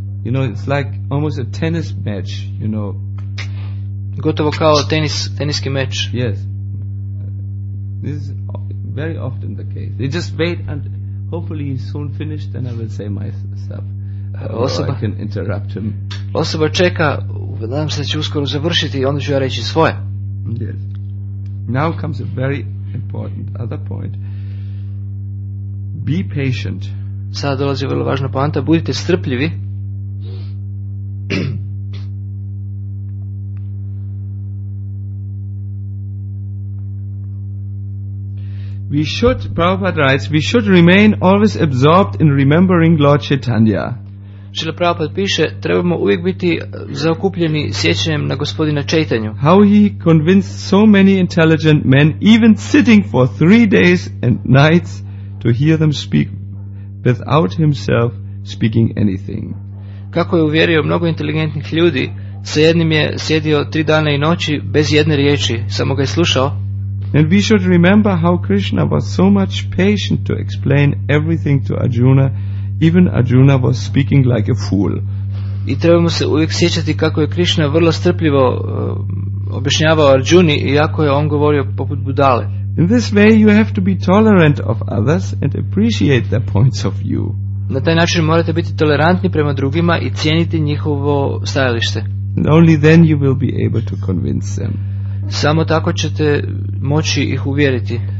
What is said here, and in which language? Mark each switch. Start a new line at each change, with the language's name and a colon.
English: You know, it's like almost a tennis match, you know.
Croatian: Gotovo kao teniski meč.
English: Yes. This is very often the case. They just wait and hopefully he's soon finished and I will say my stuff.
Croatian: Osoba,
English: I can interrupt him.
Croatian: Osoba čeka, nadam se da će uskoro završiti i onda ću ja reći svoje.
English: Yes. Now comes a very important other point. Be patient.
Croatian: Sada dolazi vrlo važna poanta. Budite strpljivi.
English: We should, Prabhupada writes, we should remain always absorbed in remembering Lord Chaitanya.
Croatian: Srila Prabhupada piše, trebamo uvijek biti zaokupljeni sjećanjem na gospodina Čajtanju.
English: How he convinced so many intelligent men, even sitting for 3 days and nights, to hear them speak without himself speaking anything.
Croatian: Kako je uvjerio mnogo inteligentnih ljudi, sa jednim je sjedio 3 dana i noći bez jedne riječi, samo ga je slušao.
English: And we should remember how Krishna was so much patient to explain everything to Arjuna, even Arjuna was speaking like a fool.
Croatian: I trebamo se uvijek sjećati kako je Krishna vrlo strpljivo objašnjavao Arjuni, iako je on govorio poput budale.
English: In this way you have to be tolerant of others and appreciate their points of view.
Croatian: Na taj način morate biti tolerantni prema drugima i cijeniti njihovo stajalište.
English: And only then you will be able to convince them.
Croatian: Samo tako ćete moći ih uvjeriti.